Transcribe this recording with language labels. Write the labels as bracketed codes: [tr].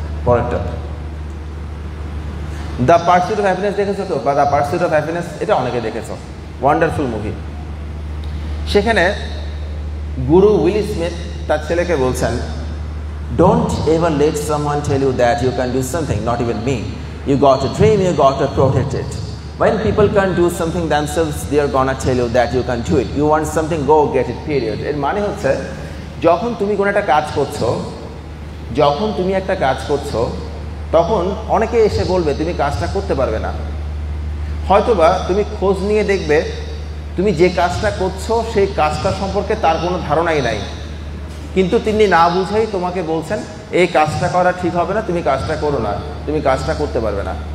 [bn] পরেরটা, the pursuit of happiness দেখেছো তো, বা দ্য পার্সুট অফ হ্যাপিনেস, এটা অনেকে দেখেছ, [en] Wonderful movie. [bn] সেখানে গুরু উইল স্মিথ তার ছেলেকে বলছেন, [en] Don't ever let someone tell you that you can do something, not even me, You got a dream, you got to protect it. When people can't do something themselves, they are gonna tell you that you can do it. You want something, go get it, period. [bn] এর মানে হচ্ছে যখন তুমি কোনো একটা কাজ করছো, যখন তুমি একটা কাজ করছো, তখন অনেকে এসে বলবে তুমি কাজটা করতে পারবে না। হয়তোবা তুমি খোঁজ নিয়ে দেখবে তুমি যে কাজটা করছো সেই কাজটা সম্পর্কে তার কোনো ধারণাই নাই, কিন্তু তিনি না বুঝেই তোমাকে বলছেন এই কাজটা করা ঠিক হবে না, তুমি কাজটা করো না, তুমি কাজটা করতে পারবে না।